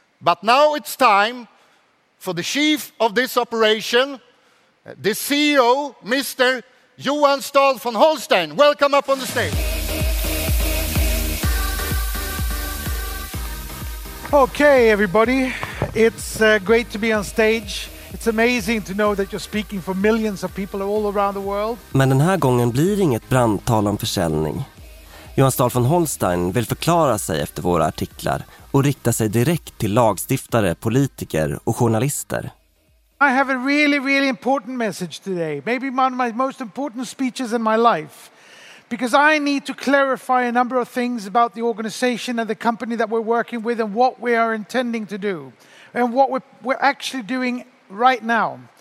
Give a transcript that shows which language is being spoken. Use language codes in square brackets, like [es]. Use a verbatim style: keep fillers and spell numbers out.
[en] But now it's time for the chief of this operation, the C E O, mister Johan Stahl von Holstein. Welcome up on the stage. Okay, everybody. It's uh, great to be on stage. It's amazing to know that you're speaking for millions of people all around the world. [sv] Men den här gången blir inget brandtal om försäljning. Johan Stahl von Holstein vill förklara sig efter våra artiklar och rikta sig direkt till lagstiftare, politiker och journalister. [en] I have a really, really important message today. Maybe one of my most important speeches in my life. Because I need to clarify a number of things about the organization and the company that we're working with and what we are intending to do and what we're, we're actually doing right now.